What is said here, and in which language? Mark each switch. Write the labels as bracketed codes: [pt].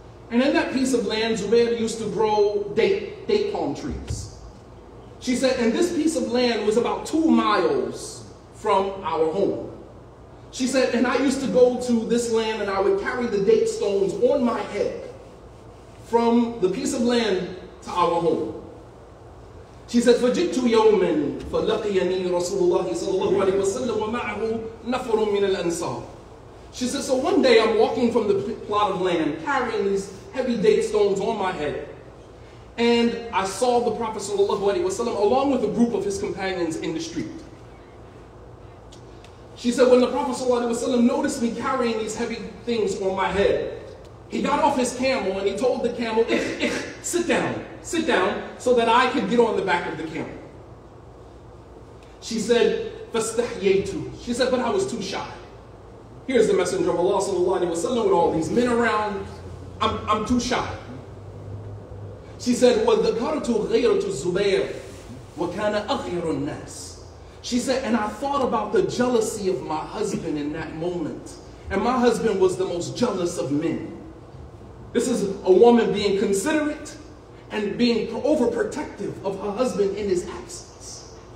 [en] And in that piece of land, Zubair used to grow date palm trees. She said, and this piece of land was about 2 miles from our home. She said, and I used to go to this land and I would carry the date stones on my head from the piece of land to our home. She said, [ar] فَجِئْتُ يَوْمًا فَلَقِيَنِي رَسُولُ اللَّهِ صَلَّى اللَّهُ عَلَيْهِ وَسَلَّمَ وَمَعَهُ نَفَرٌ مِّنَ الْأَنصَارِ. [en] She said, so one day I'm walking from the plot of land carrying these heavy date stones on my head. And I saw the Prophet Sallallahu Alaihi Wasallam along with a group of his companions in the street. She said, when the Prophet Sallallahu Alaihi Wasallam noticed me carrying these heavy things on my head, he got off his camel and he told the camel, sit down, so that I could get on the back of the camel. She said, [ar] فَاسْتَحْيَيْتُ. [en] She said, but I was too shy. Here's the Messenger of Allah Sallallahu Alaihi Wasallam with all these men around. I'm too shy. She said, [ar] وَذَكَرْتُ غَيْرَةُ الزُّبَيْرِ وَكَانَ أَغْيَرُ النَّاسِ. [en] She said, and I thought about the jealousy of my husband in that moment. And my husband was the most jealous of men. This is a woman being considerate and being overprotective of her husband in his absence.